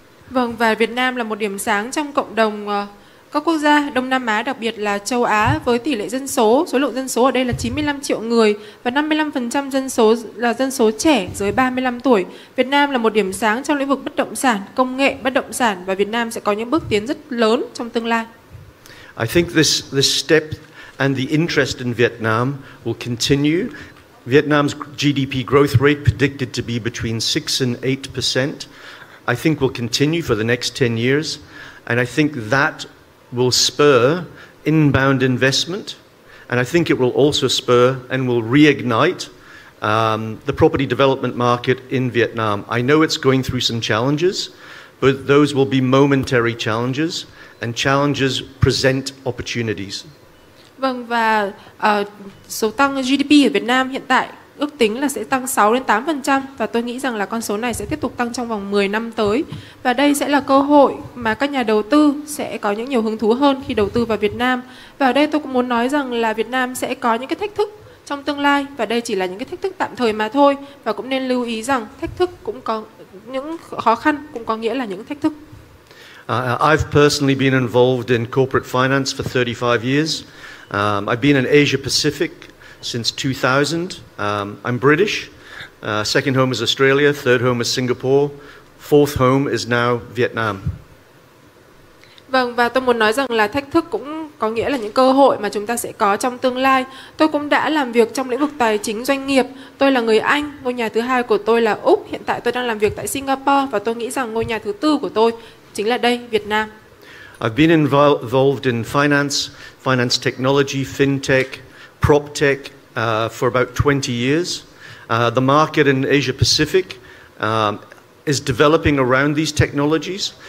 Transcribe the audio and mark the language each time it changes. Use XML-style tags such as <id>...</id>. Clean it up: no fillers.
<vi>Vâng, và Việt Nam là một điểm sáng trong cộng đồng các quốc gia Đông Nam Á, đặc biệt là châu Á, với tỷ lệ dân số, số lượng dân số ở đây là 95 triệu người và 55% dân số là dân số trẻ dưới 35 tuổi. Việt Nam là một điểm sáng trong lĩnh vực bất động sản, công nghệ bất động sản và Việt Nam sẽ có những bước tiến rất lớn trong tương lai.</vi> <en>I think this step and the interest in Vietnam will continue. Vietnam's GDP growth rate predicted to be between 6 and 8%. I think will continue for the next 10 years. And I think that will spur inbound investment. And I think it will also spur and will reignite the property development market in Vietnam. I know it's going through some challenges, but those will be momentary challenges. And challenges present opportunities.</en> <vi>Vâng, và số tăng GDP ở Việt Nam hiện tại ước tính là sẽ tăng 6-8% và tôi nghĩ rằng là con số này sẽ tiếp tục tăng trong vòng 10 năm tới. Và đây sẽ là cơ hội mà các nhà đầu tư sẽ có những nhiều hứng thú hơn khi đầu tư vào Việt Nam. Và ở đây tôi cũng muốn nói rằng là Việt Nam sẽ có những cái thách thức trong tương lai và đây chỉ là những cái thách thức tạm thời mà thôi. Và cũng nên lưu ý rằng thách thức cũng có những khó khăn cũng có nghĩa là những thách thức.</vi> <en>I've personally been involved in corporate finance for 35 years. I've been in Asia Pacific since 2000. I'm British. Second home is Australia. Third home is Singapore. Fourth home is now Vietnam.</en> <vi>Vâng, và tôi muốn nói rằng là thách thức cũng có nghĩa là những cơ hội mà chúng ta sẽ có trong tương lai. Tôi cũng đã làm việc trong lĩnh vực tài chính doanh nghiệp. Tôi là người Anh, ngôi nhà thứ hai của tôi là Úc. Hiện tại tôi đang làm việc tại Singapore và tôi nghĩ rằng ngôi nhà thứ tư của tôi chính là đây, Việt Nam.</vi> <en>I've been involved in finance technology, fintech, prop tech for about 20 years. The market in Asia Pacific is developing around these technologies.</en>